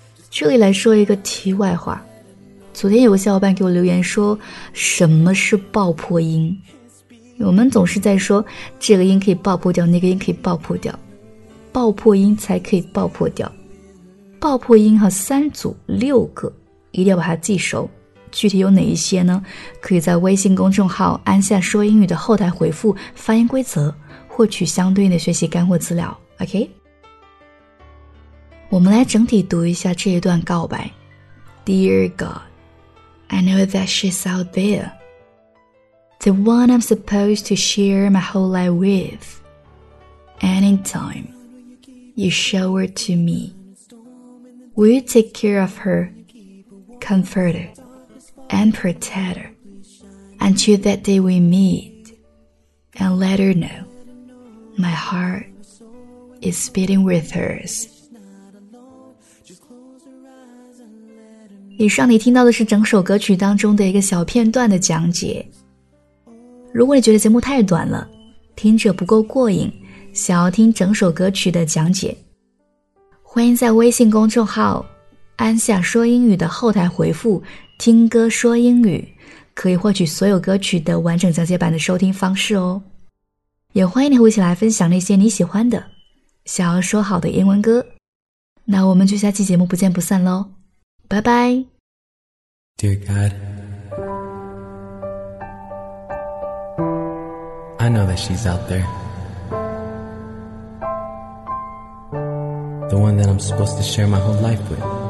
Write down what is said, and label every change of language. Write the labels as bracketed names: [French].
[Chinese] 这里来说一个题外话，昨天有个小伙伴给我留言说什么是爆破音，我们总是在说这个音可以爆破掉，那个音可以爆破掉，爆破音才可以爆破掉。爆破音和三组六个一定要把它记熟，具体有哪一些呢？可以在微信公众号安夏说英语的后台回复发音规则，获取相对应的学习干货资料。 OK， 我们来整体读一下这一段告白。 [English] Dear God, I know that she's out there, the one I'm supposed to share my whole life with. Anytime you show her to me, will you take care of her, comfort her, and protect her until that day we meet, and let her know my heart is beating with hers. [Chinese] 以上你听到的是整首歌曲当中的一个小片段的讲解。如果你觉得节目太短了，听着不够过瘾，想要听整首歌曲的讲解，欢迎在微信公众号安夏说英语的后台回复听歌说英语，可以获取所有歌曲的完整讲解版的收听方式哦。也欢迎你和我一起来分享那些你喜欢的想要说好的英文歌。那我们就下期节目不见不散咯，拜拜。 [English] Dear God, I know that she's out thereThe one that I'm supposed to share my whole life with.